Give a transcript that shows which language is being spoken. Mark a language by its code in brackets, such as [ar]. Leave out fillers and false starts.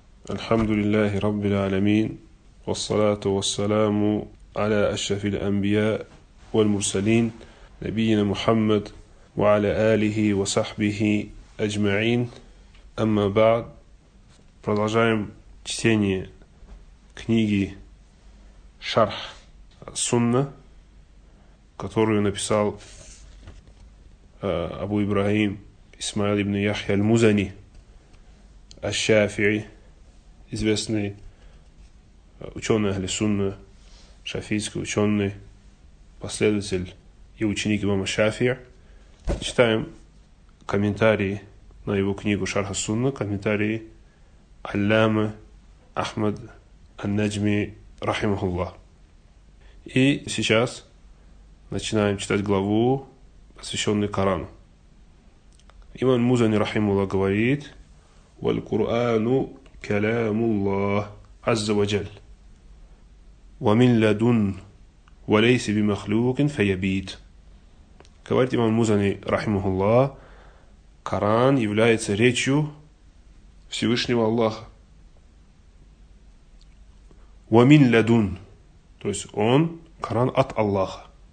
[ar] الحمد لله رب العالمين، والصلاة والسلام على أشرف الأنبياء والمرسلين نبينا محمد وعلى آله وصحبه أجمعين. أما بعد، [ru] продолжаем чтение книги Шарх Сунна, которую написал Абу Ибрахим Исмаил ибн Яхья аль-Музани аш-Шафии, известный ученый Ахли-Сунна, шафийский ученый, последователь и ученик имама Шафии. Читаем комментарии на его книгу Шарх Сунна, комментарии Аллама Ахмад ан-Наджми рахимахуллах. И сейчас начинаем читать главу, посвященную Корану. Имам Музани рахимахуллах говорит: [ar] والقرآن كلام الله عز وجل ومن لدن وليس بمخلوق فيبيد. [ru] Говорит имам Музани рахимахуллах: Коран является речью Всевышнего Аллаха. [ar] ومن لدن, [ru] то есть он, Коран, от Аллаха.